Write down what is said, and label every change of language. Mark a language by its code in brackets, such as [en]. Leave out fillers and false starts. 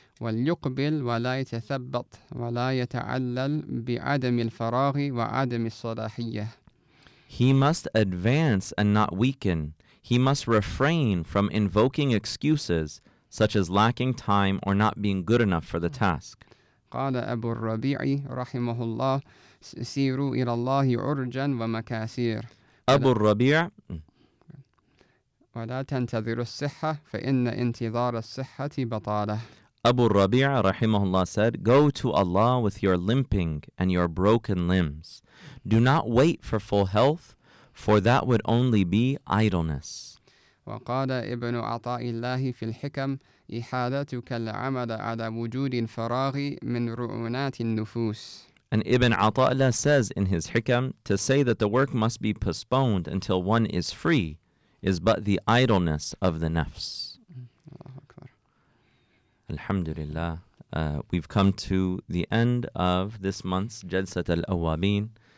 [ar] وَلْيُقْبِلْ وَلَا يَتَثَبَّطْ وَلَا يَتَعَلَّلْ بِعَدَمِ الْفَرَاغِ وَعَدَمِ الصَّلَاحِيَّةِ. [en] He must advance and not weaken. He must refrain from invoking excuses such as lacking time or not being good enough for the task. [ar] قال أبو الربيع رحمه الله سيروا إلى الله عرجا ومكاسير. أبو الربيع ولا تنتظر الصحة فإن انتظار الصحة بطالة. [en] Abu Rabi' rahimahullah said, go to Allah with your limping and your broken limbs. Do not wait for full health, for that would only be idleness. [ar] وقال ابن عطاء الله في الحكم إحالتك العمل على وجود الفراغ من رعونات النفوس. [en] And Ibn Ata'la says in his Hikam, to say that the work must be postponed until one is free is but the idleness of the nafs. Alhamdulillah, we've come to the end of this month's Jalsat al-Awwabin.